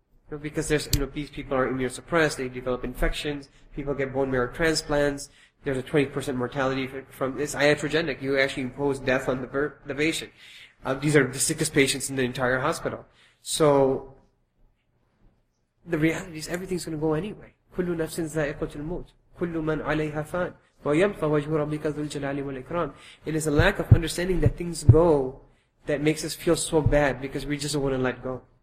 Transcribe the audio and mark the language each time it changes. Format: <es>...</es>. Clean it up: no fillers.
<en>You know, because there's, you know, these people are immunosuppressed, they develop infections, people get bone marrow transplants, there's a 20% mortality from this iatrogenic. You actually impose death on the patient. These are the sickest patients in the entire hospital. So the reality is everything's going to go anyway.</en> <ar>كل نفس ذائقة الموت كل من عليها فان وَيَمْطَ وَجْهُ رَبِّكَ ذُو الْجَلَالِ وَالْإِكْرَامِ.</ar> <en>It is a lack of understanding that things go that makes us feel so bad because we just don't want to let go.</en>